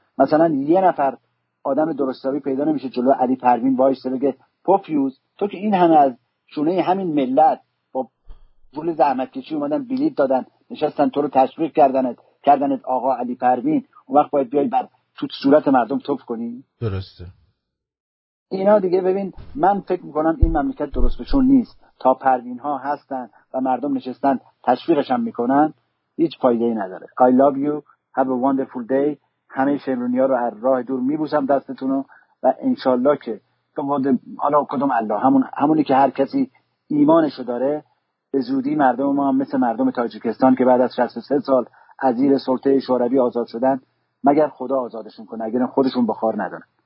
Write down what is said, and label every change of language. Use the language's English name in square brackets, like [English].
[Persian] مثلا یه نفر آدم درستاوی پیدا نمیشه جلو علی پروین وایسته بگه پوفیوز تو که این همه از شونه همین ملت با پول زحمت کشی اومدن بلیط دادن نشستن تو رو تشویق کردنت آقا علی پروین، اون وقت باید بیای بر تو صورت مردم توف کنی؟ درسته. اینا دیگه ببین، من فکر میکنم این مملکت درست بهشون نیست، تا پروین ها هستن و مردم نشستن تشویقش هم میکنن هیچ فایده ای نداره. [English] I love you, have a wonderful day. [Persian] همه شمرونی ها رو از راه دور میبوسم دستتونو و انشالله که حالا کدوم الله، همونی که هر کسی ایمانشو داره، به زودی مردم ما مثل مردم تاجیکستان که بعد از 63 سال از زیر سلطه شوروی آزاد شدن، مگر خدا آزادشون کنه، اگر خودشون بخار ندارن.